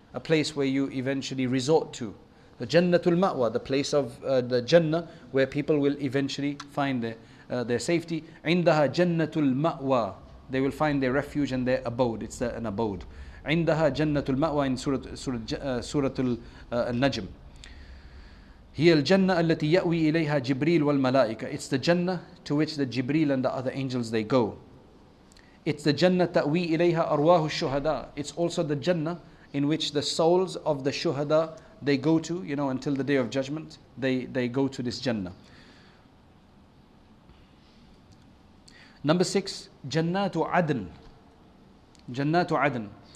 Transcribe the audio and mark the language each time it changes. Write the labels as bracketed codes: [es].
[en] A place where you eventually resort to. The Jannatul Ma'wa, the place of the Jannah where people will eventually find their safety. [ar] عندها [en] Jannatul Ma'wa. They will find their refuge and their abode. It's an abode. [ar] عندها [en] Jannatul Ma'wa in Surah Al-Najm. [ar] هي الجنة التي يأوي إليها جبريل والملائكة. [en] It's the Jannah to which the Jibreel and the other angels they go. It's the Jannah [ar] تأوي إليها أرواح الشهداء. [en] It's also the Jannah in which the souls of the shuhada they go to, you know, until the day of judgment, they go to this Jannah. Number six, Jannatu Adn. Jannatu Adn.